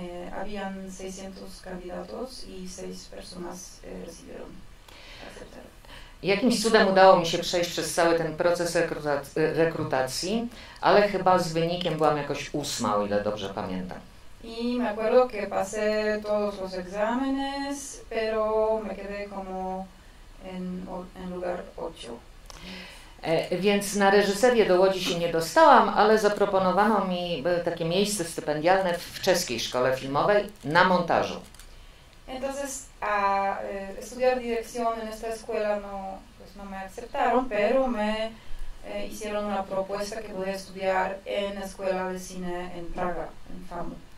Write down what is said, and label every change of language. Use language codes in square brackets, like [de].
[es] Habían 600 candidatos y 6 personas recibieron. [pl] Jakimś cudem udało mi się przejść przez cały ten proces rekrutacji, ale chyba z wynikiem byłam jakoś ósma, o ile dobrze pamiętam. [es] Y me acuerdo que pasé todos los exámenes, pero me quedé como en lugar 8. [pl] Więc na reżyserię do Łodzi się nie dostałam, ale zaproponowano mi takie miejsce stypendialne w czeskiej szkole filmowej na montażu. [es] Entonces a estudiar dirección en esta escuela no, pues no me aceptaron, pero me hicieron una propuesta que pude estudiar en escuela de cine en Praga, en FAMU.